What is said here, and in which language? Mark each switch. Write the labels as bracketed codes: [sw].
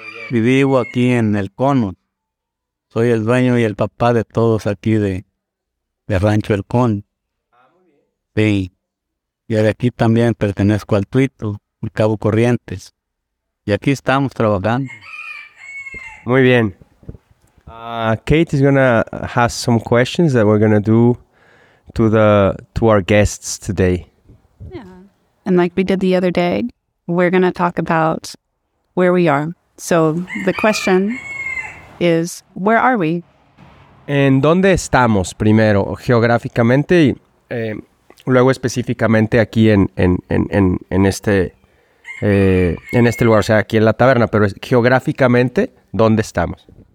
[es] Vivo aquí en El Cono. Soy el dueño y el papá de todos aquí de Rancho El Cono. Sí. Y de aquí también pertenezco al Tuito, el Cabo Corrientes. Y aquí estamos trabajando. Muy bien. [en] Kate is gonna ask some questions that we're gonna do to our guests today. Yeah, and like we did the other day, we're gonna talk about where we are. So the question is, where are we? [es] ¿En dónde estamos primero, geográficamente, y luego específicamente aquí en este lugar, o sea, aquí en la taberna, pero geográficamente, ¿dónde estamos?